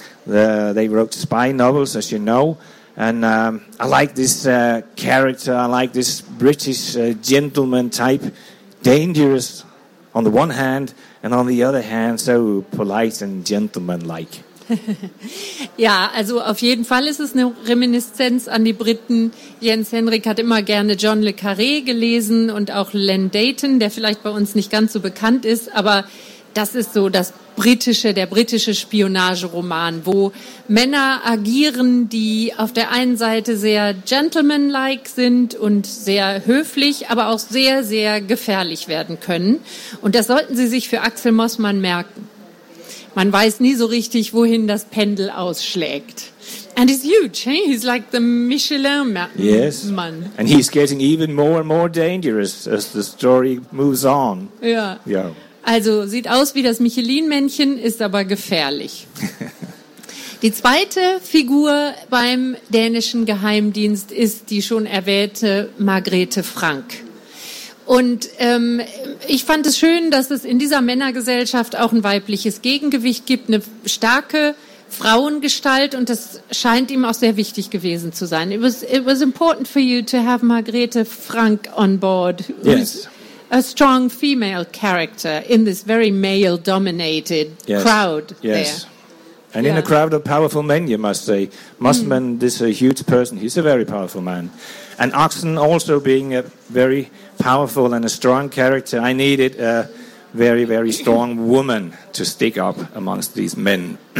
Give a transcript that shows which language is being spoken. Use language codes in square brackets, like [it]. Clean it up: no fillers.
[en] They wrote spy novels, as you know. And I like this character. I like this British gentleman type. Dangerous on the one hand, and on the other hand, so polite and gentlemanlike. [de] Ja, also auf jeden Fall ist es eine Reminiszenz an die Briten. Jens Henrik hat immer gerne John le Carré gelesen und auch Len Deighton, der vielleicht bei uns nicht ganz so bekannt ist, aber das ist so das Britische, der britische Spionageroman, wo Männer agieren, die auf der einen Seite sehr gentlemanlike sind und sehr höflich, aber auch sehr, sehr gefährlich werden können. Und das sollten Sie sich für Axel Mossmann merken. Man weiß nie so richtig, wohin das Pendel ausschlägt. [en] And he's huge, hey? He's like the Michelin man. Yes. And he's getting even more and more dangerous as the story moves on. [de] Ja. Ja. Also sieht aus wie das Michelin-Männchen, ist aber gefährlich. Die zweite Figur beim dänischen Geheimdienst ist die schon erwähnte Margrethe Frank. Und ich fand es schön, dass es in dieser Männergesellschaft auch ein weibliches Gegengewicht gibt, eine starke Frauengestalt, und das scheint ihm auch sehr wichtig gewesen zu sein. [en] It was important for you to have Margrethe Frank on board, yes, a strong female character in this very male-dominated, yes, crowd. Yes, there. And yeah, in a crowd of powerful men, you must say. Mossmann, this is a huge person. He's a very powerful man. And Oxen also being a very powerful and a strong character, I needed a very, very strong woman to stick up amongst these men.